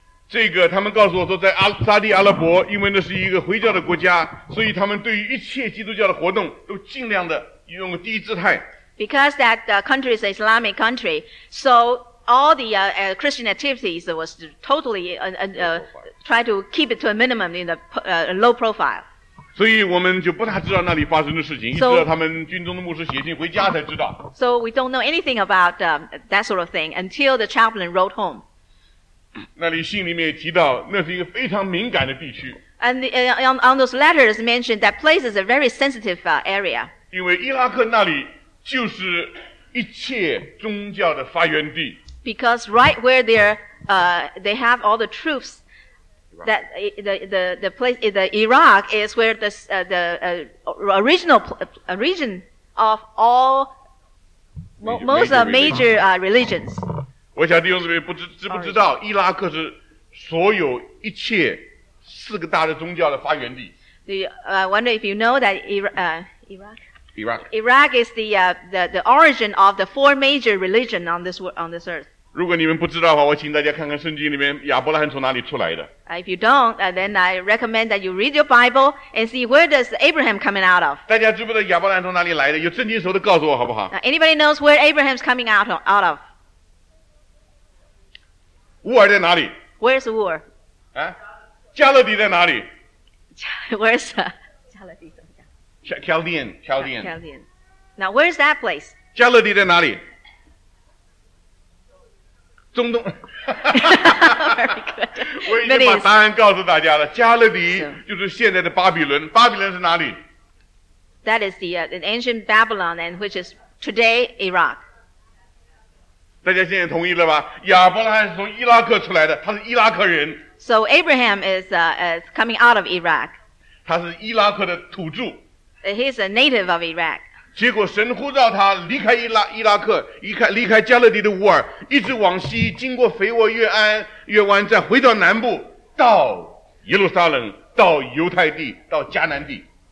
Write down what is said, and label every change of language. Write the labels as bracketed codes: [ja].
[zh] 这个他们告诉我说，在沙地阿拉伯，因为那是一个回教的国家，所以他们对于一切基督教的活动都尽量的用低姿态。 [en] Because that country is an Islamic country, so all the Christian activities was totally try to keep it to a minimum in the low profile. [zh] 所以我们就不大知道那里发生的事情，一直到他们军中的牧师写信回家才知道。 [en] So we don't know anything about that sort of thing until the chaplain wrote home. [zh] 那里信里面提到，那是一个非常敏感的地区。 [en] And the, on those letters mentioned that place is a very sensitive area. [zh] 因为伊拉克那里。就是一切宗教的发源地。 [en] Because right where they're, they have all the troops, that the place, the Iraq is where the original region of all most of major religions. [zh] 我想弟兄姊妹知不知道，伊拉克是所有一切四个大的宗教的发源地。 [en] I wonder if you know that Iraq. Iraq. Iraq is the origin of the four major religions on this earth. [zh] 如果你们不知道的话，我请大家看看圣经里面亚伯拉罕从哪里出来的。 [en] If you don't, then I recommend that you read your Bible and see where does Abraham coming out of. [zh] 大家知不知道亚伯拉罕从哪里来的？有圣经的时候都告诉我好不好？ [en] Anybody knows where Abraham's coming out of? [zh] 乌尔在哪里？ [en] Where's 乌尔？ [zh] 啊，加勒底在哪里？ [en] Where's 加勒底？ Chaldean, Chaldean. Chaldean. Now, where's that place? [zh] 加勒底在哪里？中东。 [en] Very good. [zh] 我已经把答案告诉大家了。加勒底就是现在的巴比伦。巴比伦是哪里？ [en] That is the ancient Babylon, and which is today Iraq. [zh] 大家现在同意了吧？亚伯拉罕是从伊拉克出来的，他是伊拉克人。 [en] So Abraham is coming out of Iraq. [zh] 他是伊拉克的土著。 [en] He's a native of Iraq. [zh] 结果神呼召他离开伊拉克，离开加勒底的乌尔，一直往西，经过腓沃约湾，再回到南部，到耶路撒冷，到犹太地，到迦南地。